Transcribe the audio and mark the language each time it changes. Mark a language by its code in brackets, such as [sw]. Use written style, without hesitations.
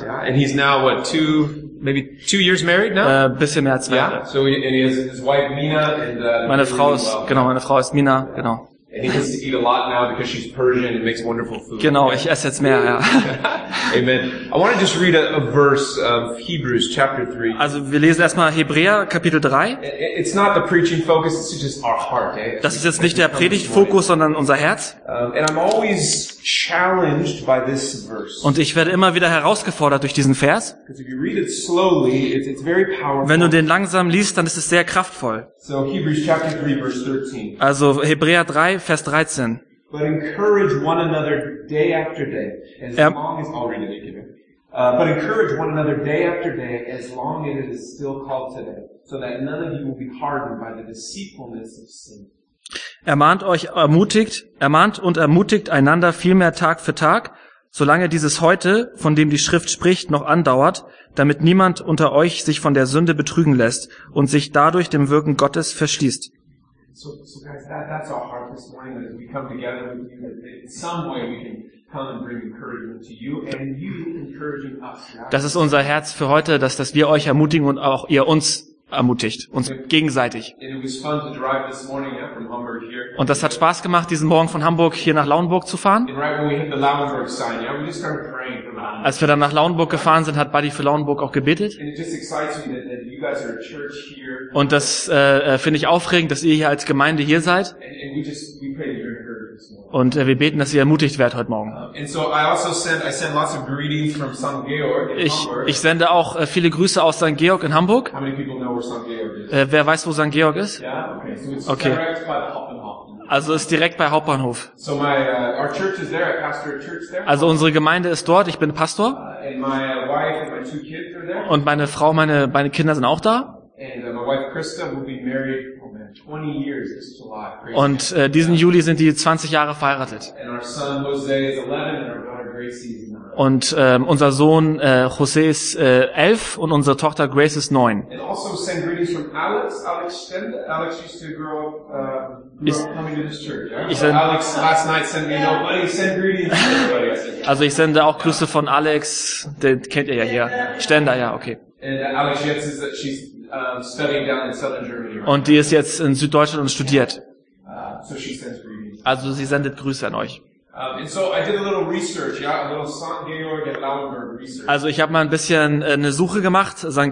[en] Yeah, and he's now what two years married now? [de] Bisschen mehr als zwei. [en] Yeah. So and he has his wife Mina and [de] meine Frau really ist well. Genau, meine Frau ist Mina, genau. [en] And he gets to eat a lot now because she's Persian and makes wonderful food. [de] Genau, ich esse jetzt mehr, ja. [en] Amen. I want to just read a verse of Hebrews chapter 3. [de] Also wir lesen erstmal Hebräer Kapitel 3. [en] It's not the preaching focus, it's just our heart. [de] Das ist jetzt nicht der Predigtfokus, sondern unser Herz. [en] And I'm always challenged by this verse. [de] Und ich werde immer wieder herausgefordert durch diesen Vers. [en] Because if you read it slowly, it's very powerful. [de] Wenn du den langsam liest, dann ist es sehr kraftvoll. [en] So Hebrews chapter 3 verse 13. [de] Also Hebräer 3 Vers 13. [en] But encourage one another day after day, as long as already given. But encourage one another day after day, as long as it is still called today, so that none of you will be hardened by the deceitfulness of sin. [de] Ermahnt und ermutigt einander vielmehr Tag für Tag, solange dieses Heute, von dem die Schrift spricht, noch andauert, damit niemand unter euch sich von der Sünde betrügen lässt und sich dadurch dem Wirken Gottes verschließt. [en] So guys, that's our heart this morning, that as we come together with you, that in some way we can come and bring encouragement to you, and you encouraging us. [de] Das ist unser Herz für heute, dass wir euch ermutigen und auch ihr uns ermutigt, uns gegenseitig. [en] And it was fun to drive this morning, yeah, from Hamburg here. [de] Und das hat Spaß gemacht, diesen Morgen von Hamburg hier nach Lauenburg zu fahren. [en] And right when we hit the Lauenburg sign, yeah, we just started praying for Lauenburg. [de] Als wir dann nach Lauenburg gefahren sind, hat Buddy für Lauenburg auch gebetet. [en] And it just excites me that you guys are a church here. [de] Und das finde ich aufregend, dass ihr hier als Gemeinde hier seid. [en] And we pray that you're encouraged this morning. [de] Und wir beten, dass ihr ermutigt werdet heute Morgen. [en] And so I also send lots of greetings from St. Georg in Hamburg. [de] Ich sende auch viele Grüße aus St. Georg in Hamburg. [en] How many people know where St. Georg is? [de] Wer weiß, wo St. Georg ist? [en] Yeah? Okay. [de] Also ist direkt bei Hauptbahnhof. [en] So my, our church is there. I pastor a church there. [de] Also unsere Gemeinde ist dort. Ich bin Pastor. [en] And my wife and my two kids are there. [de] Und meine Frau, meine Kinder sind auch da. [en] And my wife Krista will be married. 20 years this July. Crazy. [de] Und diesen Juli sind die 20 Jahre verheiratet. [en] And our son Jose is 11 and our daughter Grace is 9. [de] Und unser Sohn Jose ist 11 und unsere Tochter Grace ist 9. [en] And also send greetings from Alex Stende. Alex used to grow up [de] ich sende, [en] Alex, last night sent me no money, send greetings to everybody. [de] Also ich sende auch Grüße von Alex, den kennt ihr ja hier. Stender, ja, okay. [en] And Alex [de] jetzt ist, [en] she's studying down in southern Germany. [de] Und die ist jetzt in Süddeutschland und studiert. [en] So she sends greetings. [de] Also sie sendet Grüße an euch. [en] And so I did a little research, yeah, a little St. Georg and Lauenburg research. [de] Also ich habe mal ein bisschen eine Suche gemacht, St.